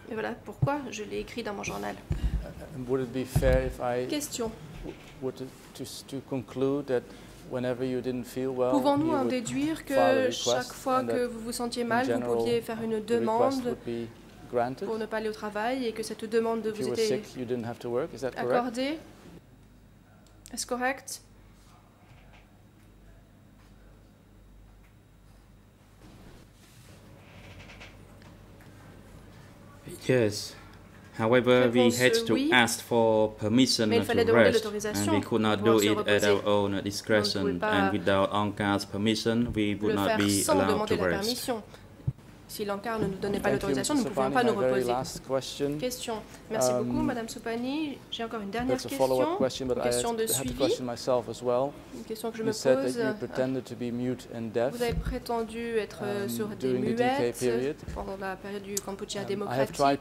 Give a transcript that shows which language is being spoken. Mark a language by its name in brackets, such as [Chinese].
[French] Et voilà pourquoi je l'ai écrit dans mon journal. [English] Would it be fair if I question. Would to conclude that whenever you didn't feel well, [French] pouvons-nous en déduire que chaque fois que vous vous sentiez mal, vous pouviez faire une demande pour ne pas aller au travail et que cette demande de vous était accordée? Est-ce correct? [English] Yes. However, we had to ask for permission to rest, and we could not do it at our own discretion. And without Ankar's permission, we would not be allowed to rest. [French] Si l'Ankar ne nous donnait pas l'autorisation, nous ne pouvions pas nous reposer. Question. Merci beaucoup, Madame Sopani. J'ai encore une dernière question. Une question que je me pose. Vous avez prétendu être sourde et muette pendant la période du Cambodge démocratique.